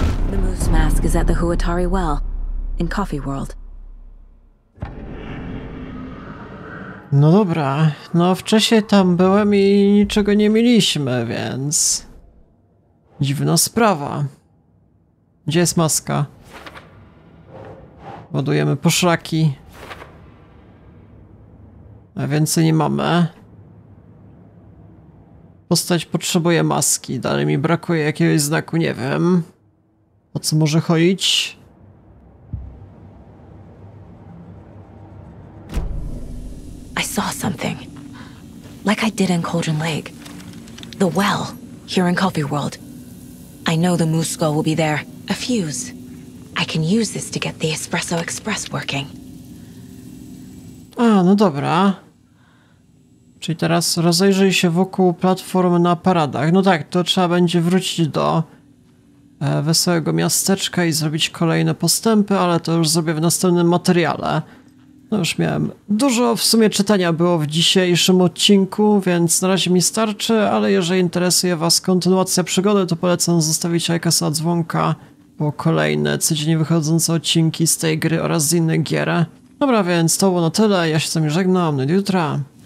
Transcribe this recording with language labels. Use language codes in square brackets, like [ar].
[en] The Moose Mask is at the Huatari Well, in Coffee World. [pl] No dobra, no wcześniej tam byłem i niczego nie mieliśmy, więc... Dziwna sprawa. Gdzie jest maska? Ładujemy poszlaki. A więcej nie mamy. Postać potrzebuje maski, dalej mi brakuje jakiegoś znaku, nie wiem. O co może chodzić? [en] Saw something, like I did in Cauldron Lake. The well, here in Coffee World. I know the moose skull will be there. A fuse. I can use this to get the Espresso Express working. [pl] A, no dobra. Czyli teraz rozejrzyj się wokół platformy na paradach. No tak, to trzeba będzie wrócić do Wesołego Miasteczka i zrobić kolejne postępy, ale to już zrobię w następnym materiale. No już miałem dużo w sumie czytania było w dzisiejszym odcinku, więc na razie mi starczy, ale jeżeli interesuje Was kontynuacja przygody, to polecam zostawić lajka, suba, dzwonka, bo kolejne codziennie wychodzące odcinki z tej gry oraz z innych gier. Dobra, więc to było na tyle, ja się z Wami żegnam, do jutra,